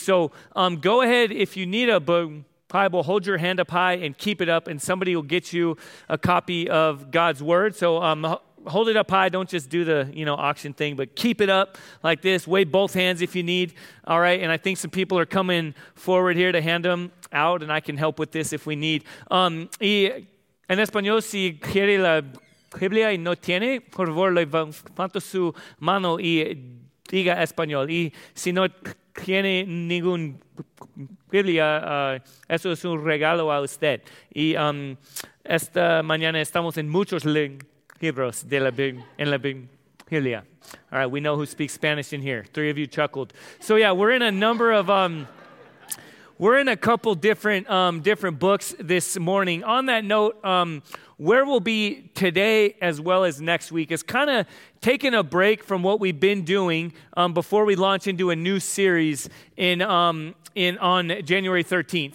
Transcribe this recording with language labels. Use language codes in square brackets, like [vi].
[en] So go ahead, if you need a Bible, hold your hand up high and keep it up, and somebody will get you a copy of God's Word. So hold it up high. Don't just do the, you know, auction thing, but keep it up like this. Wave both hands if you need. All right. And I think some people are coming forward here to hand them out, and I can help with this if we need. [es] En español, si quiere la Biblia y no tiene, por favor, levanta su mano y diga español. Y si no tiene ningún Biblia, eso es un regalo a usted. Y esta mañana estamos en muchos libros de la en la Biblia. [en] All right, we know who speaks Spanish in here. Three of you chuckled. So yeah, we're in a number of we're in a couple different books this morning. On that note, where we'll be today as well as next week is kind of taking a break from what we've been doing before we launch into a new series on January 13th.